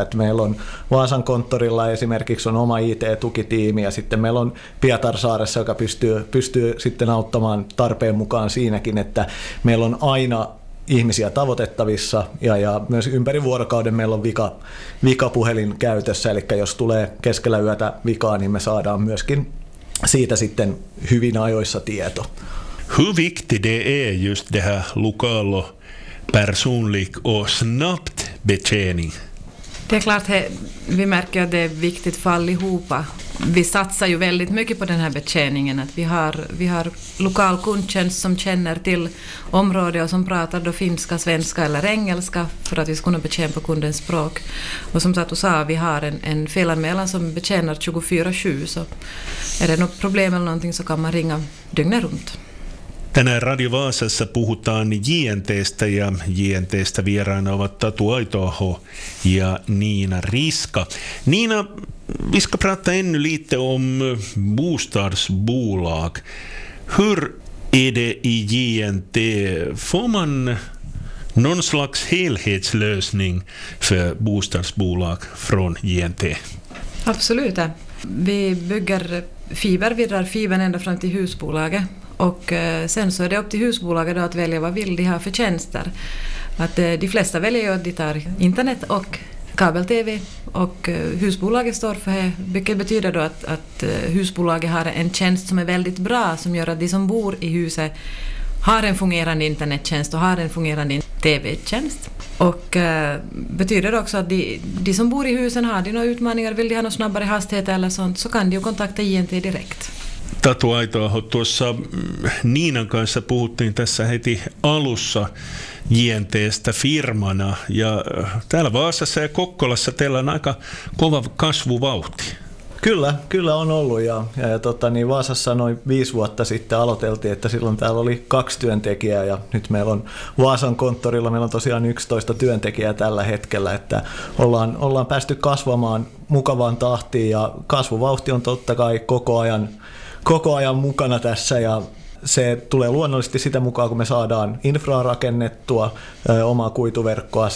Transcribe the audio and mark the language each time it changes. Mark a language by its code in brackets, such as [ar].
[fi] Et meillä on Vaasan konttorilla esimerkiksi on oma IT-tukitiimi ja sitten meillä on Pietarsaaressa, joka pystyy sitten auttamaan tarpeen mukaan siinäkin, että meillä on aina ihmisiä tavoitettavissa ja myös ympäri vuorokauden meillä on vikapuhelin käytössä, eli jos tulee keskellä yötä vikaa, niin me saadaan myöskin siitä sitten hyvin ajoissa tieto. [sv] Hur viktig det är just det här lokala personlig och snabbt betjäning? Det är klart, vi märker att det är viktigt för allihopa. Vi satsar ju väldigt mycket på den här betjäningen, att vi har lokal kundtjänst som känner till området och som pratar då finska, svenska eller engelska för att vi ska kunna betjäna på kundens språk. Och som Tatu sa, vi har en felanmälan som betjänar 24/7, så är det något problem eller någonting så kan man ringa dygnet runt. [fi] Tänään Radio Vaasassa puhutaan JNT:stä ja JNT:stä vieraana ovat Tatu Aitoaho ja Niina Riska. [sv] Niina, vi ska prata ännu lite om bostadsbolag. Hur är det i JNT? Får man någon slags helhetslösning för bostadsbolag från JNT? Absolut. Vi bygger fiber, vi drar fiber ända fram till husbolaget. Och sen så är det upp till husbolaget att välja vad vill de ha för tjänster. Att de flesta väljer att de tar internet och kabel-tv. Och husbolaget står för det. Vilket betyder då att husbolaget har en tjänst som är väldigt bra. Som gör att de som bor i huset har en fungerande internettjänst och har en fungerande tv-tjänst. Och betyder det också att de som bor i husen har de några utmaningar. Vill de ha någon snabbare hastighet eller sånt så kan de ju kontakta JNT direkt. [fi] Tatu Aitoaho, tuossa Niinan kanssa puhuttiin tässä heti alussa JNT:stä firmana ja täällä Vaasassa ja Kokkolassa teillä on aika kova kasvuvauhti. Kyllä on ollut ja Vaasassa noin 5 vuotta sitten aloiteltiin, että silloin täällä oli 2 työntekijää ja nyt meillä on Vaasan konttorilla, meillä on tosiaan 11 työntekijää tällä hetkellä, että ollaan päästy kasvamaan mukavaan tahtiin ja kasvuvauhti on totta kai koko ajan mukana tässä ja se tulee luonnollisesti sitä mukaan, kun me saadaan infraa rakennettua, omaa kuituverkkoa.